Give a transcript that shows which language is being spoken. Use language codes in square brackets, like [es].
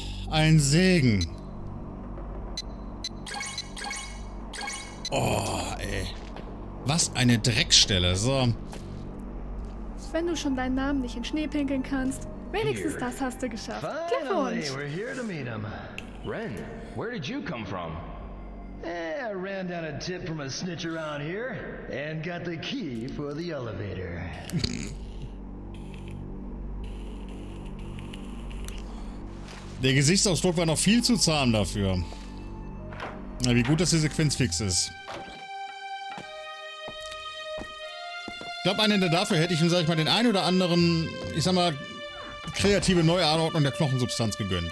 [de] Ein Segen. Oh, ey. Was eine Dreckstelle. So. Wenn du schon deinen Namen nicht in Schnee pinkeln kannst, wenigstens das hast du geschafft. Glückwunsch! [en] We're here to meet him. Ren, where did you come from? I ran down a tip from a snitch around here and got the key for the elevator. [de] Der Gesichtsausdruck war noch viel zu zahm dafür. Na, wie gut, dass die Sequenz fix ist. Ich glaube, einen dafür hätte ich ihm, sag ich mal, den ein oder anderen, ich sag mal, kreative Neuanordnung der Knochensubstanz gegönnt.